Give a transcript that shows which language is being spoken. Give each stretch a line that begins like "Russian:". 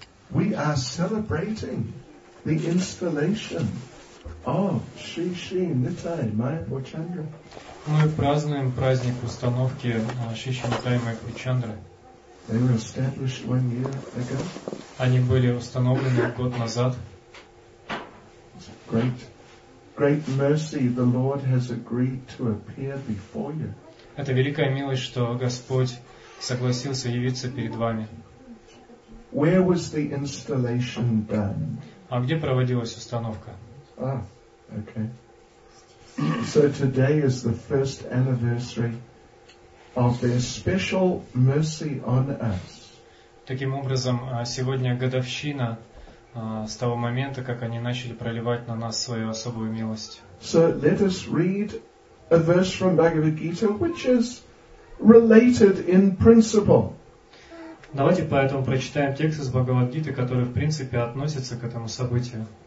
English: We are celebrating the installation of Shri Shri Nitai Maya Bhuchandra.
Russian: Мы празднуем праздник установки Shri Shri Nitai Maya Bhuchandra.
English: They were established 1 year ago.
Russian: Они были установлены год назад.
English: Great, great mercy the Lord has agreed to appear before you.
Russian: Это великая милость, что Господь согласился явиться перед вами.
English: Where was the installation done?
Russian: А где проводилась установка?
English: Ah, okay. So today is the first anniversary of their special mercy on us.
Russian: Таким образом, сегодня годовщина с того момента, как они начали проливать на нас свою особую милость.
English: So let us read a verse from Bhagavad Gita, which is related in principle.
Russian: Давайте поэтому прочитаем текст из Бхагавад-гиты, который в принципе относится к этому событию.